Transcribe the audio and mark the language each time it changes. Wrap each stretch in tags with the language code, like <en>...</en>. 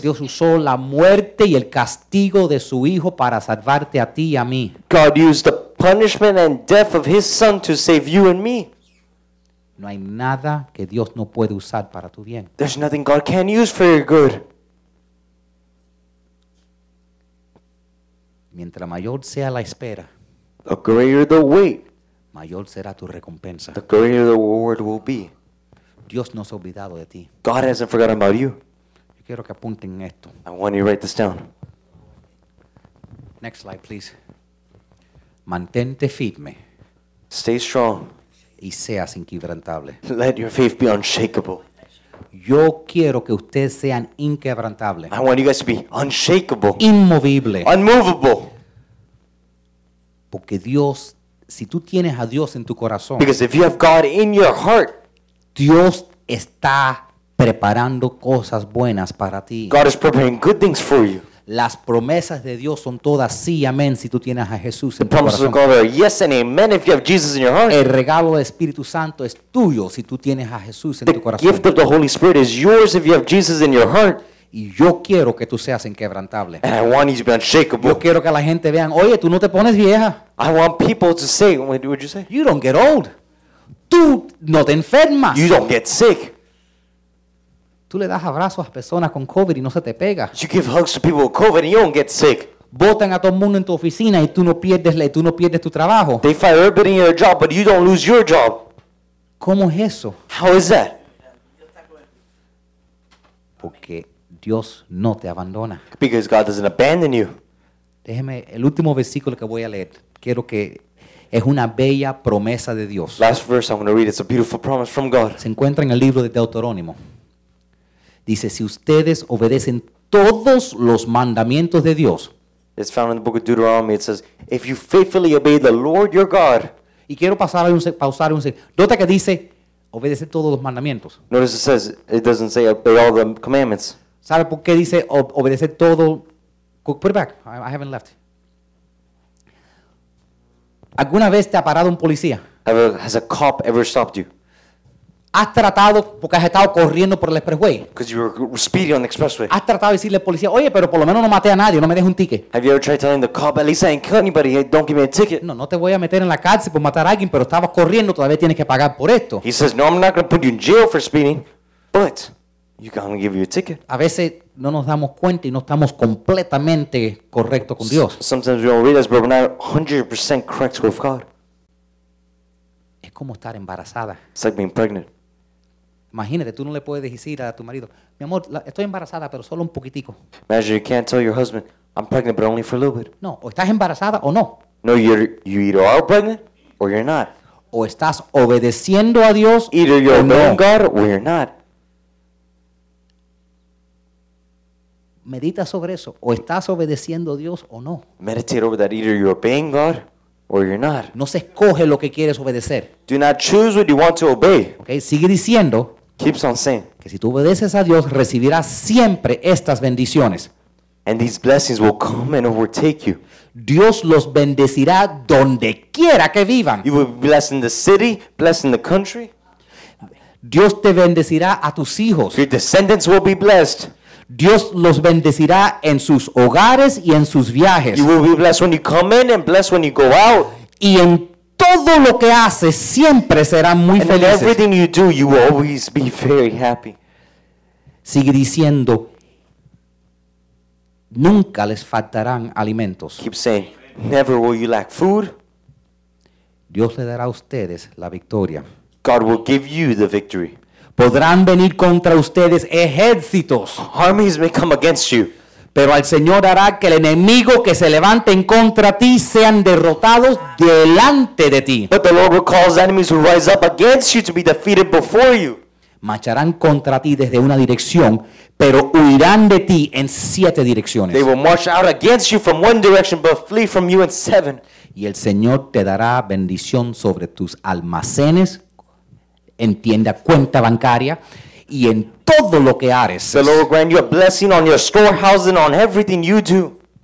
<es>Dios usó la muerte y el castigo de su hijo para salvarte a ti y a mí.</es> <en>God used the punishment and death of his son to save you and me.</en> <es>No hay nada que Dios no puede usar para tu bien.</es> <en>There's nothing God can use for your good.</en> <es>Mientras mayor sea la espera,</es> <en>the greater the wait,</en> <es>mayor será tu recompensa.</es> <en>The greater the reward will be.</en> <es>Dios no se ha olvidado de ti.</es> <en>God hasn't forgotten about you.</en> <es>Yo quiero que apunten esto.</es> <en>I want you to write this down. Next slide, please.</en> <es>Mantente firme.</es> <en>Stay strong.</en> <es>Y seas inquebrantable.</es> <en>Let your faith be unshakable.</en> <es>Yo quiero que ustedes sean inquebrantables.</es> <en>I want you guys to be unshakable.</en> <es>Inmovible.</es> <en>Unmovable.</en> <es>Porque Dios, si tú tienes a Dios en tu corazón,</es> <en>because if you have God in your heart,</en> <es>Dios está preparando cosas buenas para ti.</es> <en>God is preparing good things for you.</en> <es>Las promesas de Dios son todas sí y amén si tú tienes a Jesús en tu corazón.</es> <en>The promises of God are yes and amen if you have Jesus in your heart.</en> <es>El regalo del Espíritu Santo es tuyo si tú tienes a Jesús en tu corazón.</es> <en>The gift of the Holy Spirit is yours if you have Jesus in your heart.</en> <es>Y yo quiero que tú seas inquebrantable.</es> <en>And I want you to be unshakable.</en> <es>Yo quiero que la gente vean, oye, tú no te pones vieja.</es> <en>I want people to say, what did you say? You don't get old.</en> <es>Tú no te enfermas.</es> <en>You don't get sick.</en> <es>Tú le das abrazos a personas con COVID y no se te pega.</es> <en>You give hugs to people with COVID and you don't get sick.</en> <es>Botan a todo el mundo en tu oficina y tú no pierdes tu trabajo.</es> <en>They fire everybody in your job, but you don't lose your job.</en> <es>¿Cómo es eso?</es> <en>How is that?</en> <es>Porque Dios no te abandona.</es> <en>Because God doesn't abandon you.</en> <es>Déjeme el último versículo que voy a leer. Quiero que es una bella promesa de Dios.</es> <en>Last verse I'm going to read. It's a beautiful promise from God.</en> <es>Se encuentra en el libro de Deuteronomio. Dice, si ustedes obedecen todos los mandamientos de Dios.</es> <en>It's found in the book of Deuteronomy. It says, if you faithfully obey the Lord your God.</en> <es>Y quiero pasar a pausar un segundo. Nota que dice, obedecer todos los mandamientos. Notice it doesn't say obey all the commandments. ¿Sabe por qué dice obedecer todo?</es> <en>Put it back. I haven't left.</en> <es>¿Alguna vez te ha parado un policía?</es> <en>Has a cop ever stopped you?</en> <es>Has tratado, porque has estado corriendo por el expressway.</es> <en>Because you were speeding on the expressway.</en> <es>Has tratado de decirle al policía, oye, pero por lo menos no maté a nadie, no me dejes un ticket.</es> <en>Have you ever tried telling the cop, at least I didn't kill anybody, hey, don't give me a ticket.</en> <es>No, no te voy a meter en la cárcel por matar a alguien, pero estabas corriendo, todavía tienes que pagar por esto.</es> <en>He says, no, I'm not going to put you in jail for speeding, but I'm going to give you a ticket.</en> <es>A veces no nos damos cuenta y no estamos completamente correctos con Dios.</es> <en>Sometimes we don't realize, but we're not 100% correct with God.</en> <es>Es como estar embarazada.</es> <en>It's like being pregnant.</en> <es>Imagínate, tú no le puedes decir a tu marido, mi amor, estoy embarazada, pero solo un poquitico.</es> <en>Imagine you can't tell your husband, I'm pregnant, but only for a little bit.</en> <es>No, o estás embarazada o no.</es> <en>No, you either are pregnant or you're not.</en> <es>O estás obedeciendo a Dios</es> <en>either you're</en> <es>o</es> <en>obeying God or you're not.</en> <es>Medita sobre eso. O estás obedeciendo a Dios o no.</es> <en>Meditate over that. Either you're obeying God or you're not.</en> <es>No se escoge lo que quieres obedecer.</es> <en>Do not choose what you want to obey.</en> <es>Okay, sigue diciendo.</es> <en>Keeps on saying.</en> <es>Que si tú obedeces a Dios, recibirás siempre estas bendiciones.</es> <en>And these blessings will come and overtake you.</en> <es>Dios los bendecirá donde quiera que vivan.</es> <en>You will bless in the city, bless in the country.</en> <es>Dios te bendecirá a tus hijos.</es> <en>Your descendants will be blessed.</en> <es>Dios los bendecirá en sus hogares y en sus viajes.</es> <en>You will be blessed when you come in and blessed when you go out.</en> <es>Y en todo lo que haces siempre serán muy</es> <en>and</en> <es>felices.</es> <en>In everything you do, you will always be very happy.</en> <es>Sigue diciendo, nunca les faltarán alimentos.</es> <en>Keep saying, never will you lack food.</en> <es>Dios le dará a ustedes la victoria.</es> <en>God will give you the victory.</en> <es>Podrán venir contra ustedes ejércitos.</es> <en>Armies may come against you.</en> <es>Pero el Señor hará que el enemigo que se levante en contra ti sean derrotados delante de ti.</es> <en>But the Lord will cause enemies who rise up against you to be defeated before you.</en> <es>Marcharán contra ti desde una dirección, pero huirán de ti en siete direcciones.</es> <en>They will march out against you from one direction, but flee from you in seven.</en> <es>Y el Señor te dará bendición sobre tus almacenes, en tienda, cuenta bancaria, y en todo lo que hares.</es> <en>The Lord grant you a blessing on your storehouse and on everything you do.</en>